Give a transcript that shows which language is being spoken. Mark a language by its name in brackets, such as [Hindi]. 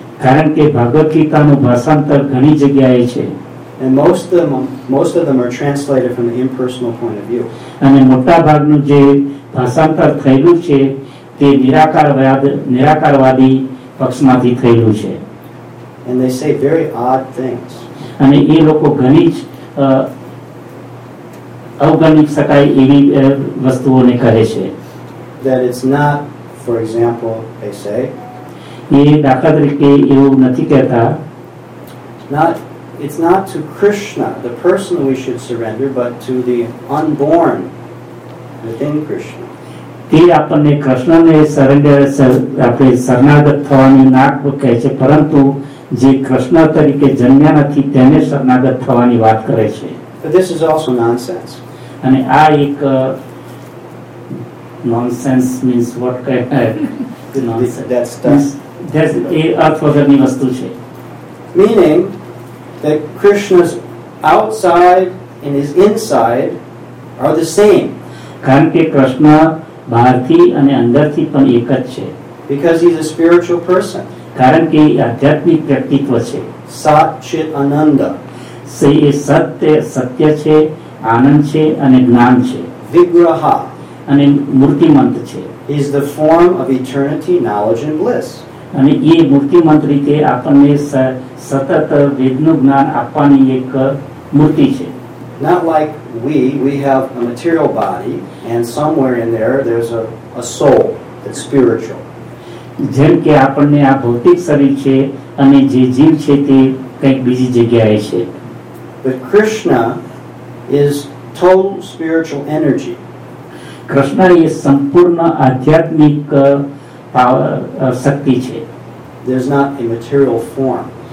[Gujarati] કારણ કે ભગવદ્ ગીતાનું ભાષાંતર ઘણી જગ્યાએ છે. [English] And most of them are translated from the impersonal point of view. [Gujarati] અને મોટા ભાગનું જે ભાષાંતર થયેલું છે તે નિરાકારવાદી પક્ષમાંથી થયેલું છે. [English] And they say very odd things. [Gujarati] અને એ લોકો ઘણી જ અવગણી શકાય એવી વસ્તુઓને કહે છે. [English] That it's not, for example, they say. [Gujarati] એ દાખલા તરીકે એવું નથી કહેતા. [English] It's not to Krishna, the person we should surrender, but to the unborn within Krishna. [Gujarati] તે આપણને કૃષ્ણને સરેન્ડર આપણે શરણાગત થવાની નાક કહે છે, પરંતુ જે કૃષ્ણ તરીકે જન્મ્યા નથી તેને શરણાગત થવાની વાત કરે છે. [English] This is also nonsense. [Gujarati] અને આ એક [English] nonsense means what kind of nonsense? That's a [Gujarati] અર્થવગરની વસ્તુ છે. [English] Meaning that Krishna's outside and his inside are the same. [Gujarati] કારણ કે કૃષ્ણ બહારથી અને અંદરથી પણ એક જ છે. [English] Because he's a spiritual person. [Gujarati] કારણ કે આધ્યાત્મિક વ્યક્તિત્વ છે. સત ચિત આનંદ. સે સત્ય સત્ય છે, આનંદ છે અને જ્ઞાન છે. વિગ્રહ અને મૂર્તિમંત છે. [English] Is the form of eternity, knowledge and bliss. [Gujarati] અને એ મૂર્તિમંત રીતે આપણને સતત વેદનું જ્ઞાન આપવાની એક મૂર્તિ છે. [English] Not like we have a material body and somewhere in there's a soul that's spiritual. [Gujarati] જેમ કે આપણને આ ભૌતિક શરીર છે અને જે જીવ છે તે કંઈક બીજી જગ્યાએ છે. [English] But Krishna is total spiritual energy. [Gujarati] Krishna એ સંપૂર્ણ આધ્યાત્મિક પાવર શક્તિ છે. [English] There's not a material form.